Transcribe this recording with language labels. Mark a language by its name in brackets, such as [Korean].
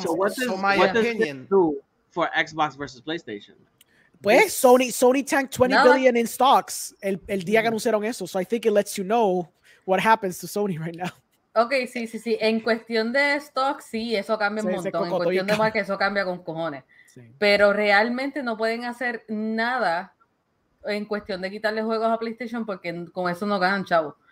[English] So what does this do for Xbox versus PlayStation? [Spanish] Pues Sony [English] tanked 20 billion in stocks [Spanish] el día que anunciaron eso. [English] So I think it lets you know what happens to Sony right now. [Spanish] Okay, sí. En cuestión de stocks, sí, eso cambia un montón. En cuestión de marca, eso cambia con cojones. Pero realmente no pueden hacer nada en cuestión de quitarle juegos a PlayStation porque con eso no ganan, chavo.